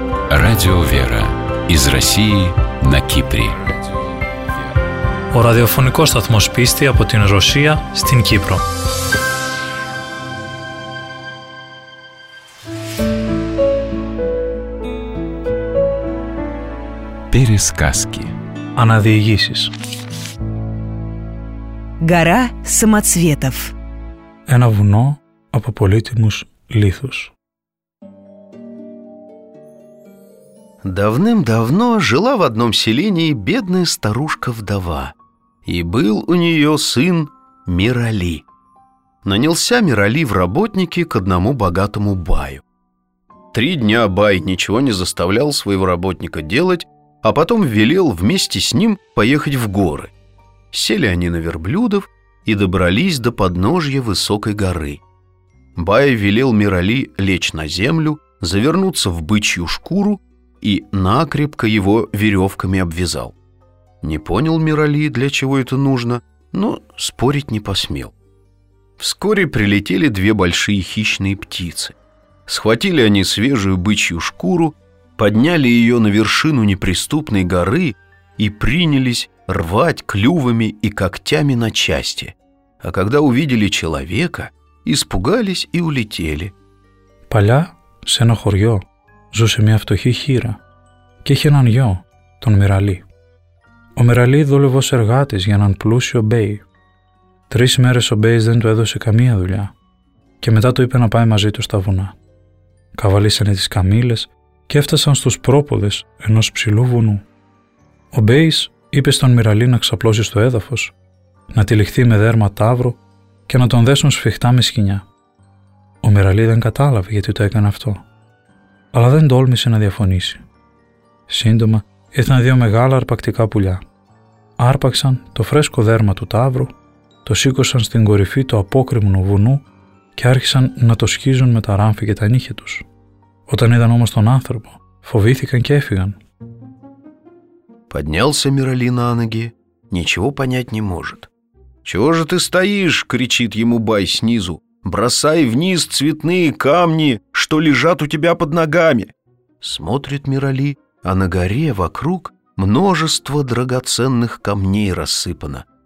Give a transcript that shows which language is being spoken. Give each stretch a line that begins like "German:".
Russian: Радио Вера из России на Кипре.
Greek: Ο ραδιοφωνικός σταθμός πίστη από την Ρωσία στην Κύπρο.
Russian: Пересказки.
Greek: Αναδιηγήσεις. Γκαρά Σαματσβέτοφ. Ένα βουνό από πολύτιμους λίθους.
Russian: Давным-давно жила в одном селении бедная старушка-вдова, и был у нее сын Мирали. Нанялся Мирали в работники к одному богатому баю. Три дня бай ничего не заставлял своего работника делать, а потом велел вместе с ним поехать в горы. Сели они на верблюдов и добрались до подножья высокой горы. Бай велел Мирали лечь на землю, завернуться в бычью шкуру и накрепко его веревками обвязал. Не понял Мирали, для чего это нужно, но спорить не посмел. Вскоре прилетели две большие хищные птицы. Схватили они свежую бычью шкуру, подняли ее на вершину неприступной горы и принялись рвать клювами и когтями на части. А когда увидели человека, испугались и улетели.
Greek: Поля, σε ένα χωριό, ζούσε μια φτωχή χείρα και είχε έναν γιο, τον Μυραλή. Ο Μυραλή δούλευε ως εργάτης για έναν πλούσιο μπέι. Τρεις μέρες ο μπέις δεν του έδωσε καμία δουλειά και μετά του είπε να πάει μαζί του στα βουνά. Καβαλήσανε τις καμήλες και έφτασαν στους πρόποδες ενός ψηλού βουνού. Ο μπέις είπε στον Μυραλή να ξαπλώσει στο έδαφος, να τυλιχθεί με δέρμα τάβρο και να τον δέσουν σφιχτά με σκοινιά. Ο Μυραλή δεν κατάλαβε γιατί το έκανε αυτό, αλλά δεν τόλμησε να διαφωνήσει. Σύντομα ήρθαν δύο μεγάλα αρπακτικά πουλιά. Άρπαξαν το φρέσκο δέρμα του τάβρου, το σήκωσαν στην κορυφή του απόκριμνου βουνού και άρχισαν να το σκίζουν με τα ράμφη και τα νύχια τους. Όταν είδαν όμως τον άνθρωπο, φοβήθηκαν και έφυγαν.
Russian: Поднялся Мирали на ноги, ничего понять не может. «Чего же ты стоишь?» — кричит ему бай снизу. «Бросай вниз цветные камни, что лежат у тебя под ногами!» Смотрит Мирали, а на горе вокруг множество драгоценных камней рассыпано.